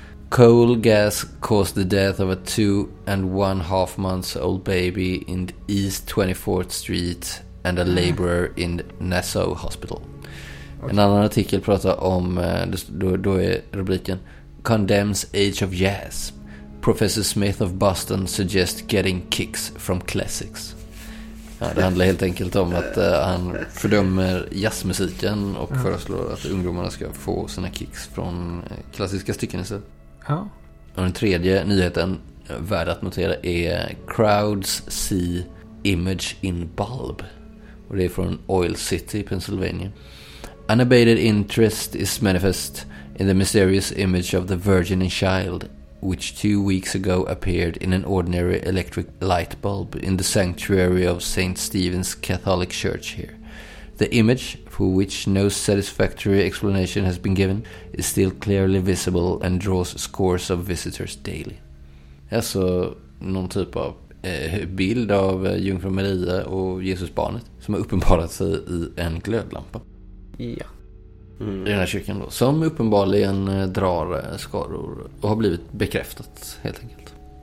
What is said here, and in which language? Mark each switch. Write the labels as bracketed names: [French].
[English] Coal gas caused the death of a 2.5-month-old baby in East 24th Street and a laborer in Nassau Hospital. Okay. [Swedish] En annan artikel pratar om, då är rubriken, [English] condemns age of gas. Professor Smith of Boston suggests getting kicks from classics. [Swedish] Ja, det handlar helt enkelt om att han fördömer jazzmusiken och föreslår att ungdomarna ska få sina kicks från klassiska stycken istället. Ja. Och den tredje nyheten värd att notera är [English] Crowds See Image in Bulb. [Swedish] Och det är från Oil City, Pennsylvania. [English] Unabated interest is manifest in the mysterious image of the Virgin and Child, which 2 weeks ago appeared in an ordinary electric light bulb in the sanctuary of St. Stephen's Catholic Church here. The image, for which no satisfactory explanation has been given, is still clearly visible and draws scores of visitors daily. [Swedish] Alltså, någon typ av bild av Jungfru Maria och Jesusbarnet som har uppenbarat sig i en glödlampa. Ja. Mm. I den här kyrkan då, som uppenbarligen drar skador och har blivit bekräftat helt enkelt.